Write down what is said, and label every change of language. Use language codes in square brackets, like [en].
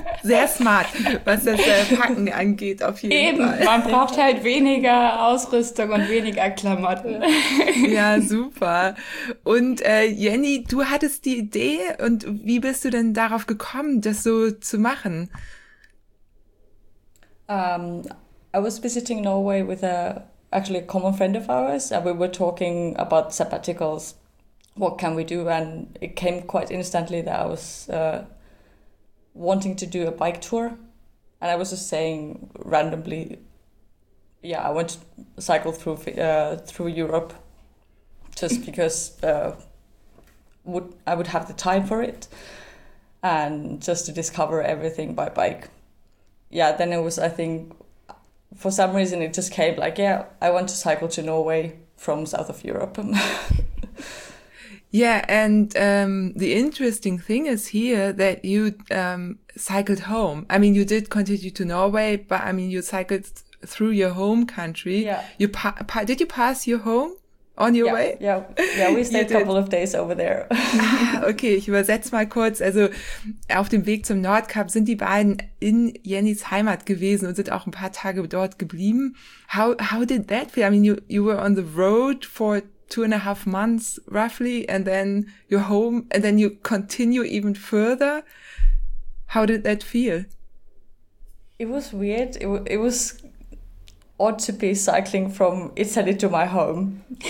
[de] Sehr smart, was das Packen angeht auf jeden Fall. Eben, man braucht halt weniger Ausrüstung und weniger Klamotten. Ja, super. Und Jenny, du hattest die Idee und wie bist du denn darauf gekommen, das so zu machen? [en] I was visiting Norway with actually a common friend of ours, and we were talking about sabbaticals, what can we do, and it came quite instantly that I was wanting to do a bike tour, and I was just saying randomly, yeah, I want to cycle through Europe, just because I would have the time for it, and just to discover everything by bike. Yeah, then it was, I think, for some reason, it just came like, yeah, I want to cycle to Norway from south of Europe. Yeah, and the interesting thing is here that you cycled home. I mean, you did continue to Norway, but I mean, you cycled through your home country. Yeah. You did you pass your home on your way? Yeah, we stayed a couple of days over there. [de] Okay, ich übersetze mal kurz. Also auf dem Weg zum Nordkap sind die beiden in Jennys Heimat gewesen und sind auch ein paar Tage dort geblieben. [en] How did that feel? I mean, you were on the road for 2.5 months roughly, and then you're home, and then you continue even further. How did that feel? It was weird. It was odd to be cycling from Italy to my home.